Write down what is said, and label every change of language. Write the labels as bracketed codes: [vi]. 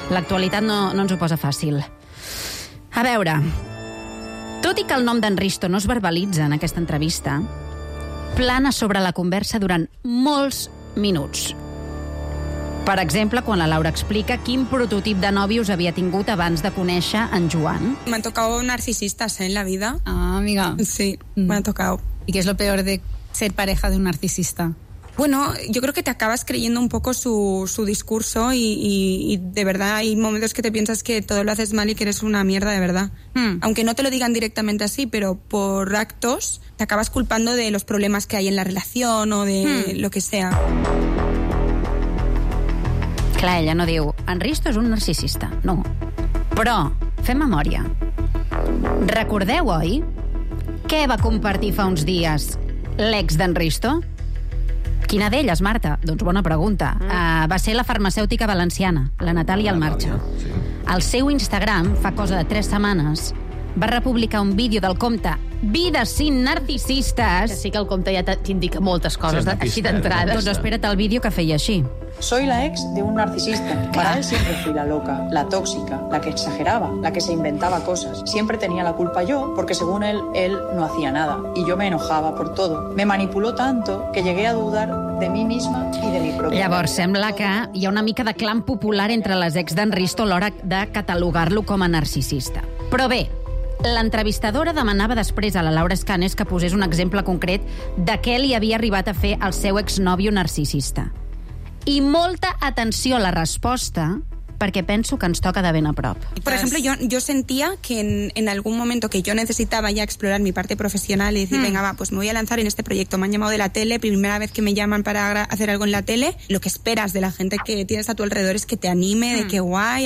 [ca] L'actualitat no ens ho posa fàcil. A veure, tot i que el nom d'en Risto no es verbalitza en aquesta entrevista, plana sobre la conversa durant molts minuts. Per exemple, quan la Laura explica quin prototip de nòvios havia tingut abans de conèixer en Joan. [es] Me han tocado narcisistas en la vida. Ah, amiga. Sí, me han tocado. ¿Y qué es lo peor de ser pareja de un narcisista? Bueno, yo creo que te acabas creyendo un poco su discurso y de verdad hay momentos que te piensas que todo lo haces mal y que eres una mierda de verdad. Aunque no te lo digan directamente así, pero por actos te acabas culpando de los problemas que hay en la relación o de lo que sea. [ca] Clar, ella no diu, en Risto és un narcisista, no. Però, fem memòria. Recordeu, oi, què va compartir fa uns dies l'ex d'en Risto? Quina d'elles, Marta? Doncs bona pregunta. Va ser la farmacèutica valenciana, la Natàlia al marge. Sí. El seu Instagram, fa cosa de 3 setmanes, va republicar un vídeo del compte Vides sin narcisistes. Que sí que el compte ja t'indica moltes coses, sí, així d'entrada. Doncs espera't el vídeo que feia així. [es] Soy la ex de un narcisista. Para él siempre fui la loca, la tóxica, la que exageraba, la que se inventaba cosas. Siempre tenía la culpa yo, porque según él, él no hacía nada. Y yo me enojaba por todo. Me manipuló tanto que llegué a dudar de mi misma y de mi propia. [ca] Llavors, sembla que hi ha una mica de clan popular entre les ex d'en Risto a l'hora de catalogar-lo com a narcisista. Però bé, l'entrevistadora demanava després a la Laura Escanes que posés un exemple concret de què li havia arribat a fer el seu exnòvio narcisista. Y molta [es] atención a la respuesta, porque pienso [ca] que nos toca de ben a prop. [es] Por ejemplo, yo sentía que en algún momento que yo necesitaba ya explorar mi parte profesional y decir, venga, va, pues me voy a lanzar en este proyecto. Me han llamado de la tele, primera vez que me llaman para hacer algo en la tele. Lo que esperas de la gente que tienes a tu alrededor es que te anime, de que guay.